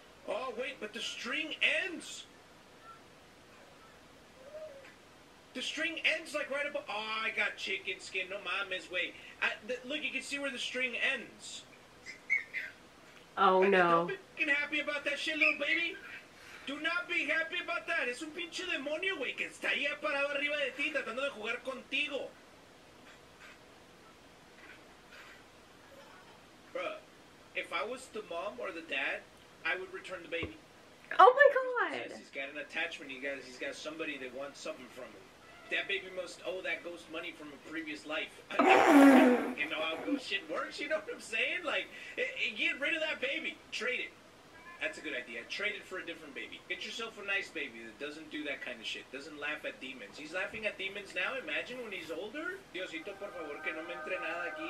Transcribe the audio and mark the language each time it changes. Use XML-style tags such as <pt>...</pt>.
<en>Oh, wait, but the string ends. The string ends like right above. Oh, I got chicken skin.</en> <es>No mames,</es> <en>wait. Look, you can see where the string ends. Oh, no. Don't be happy about that shit, little baby. Do not be happy about that.</en> <es>Es un pinche demonio, güey, que está ahí parado arriba de ti tratando de jugar contigo.</es> <en>Bruh, if I was the mom or the dad, I would return the baby. Oh my god. He's got an attachment, he's got somebody that wants something from him. That baby must owe that ghost money from a previous life. You know how ghost shit works, you know what I'm saying? Like, get rid of that baby. Trade it. That's a good idea. Trade it for a different baby. Get yourself a nice baby that doesn't do that kind of shit. Doesn't laugh at demons. He's laughing at demons now. Imagine when he's older.</en> <es>Diosito, por favor, que no me entre nada aquí.</es>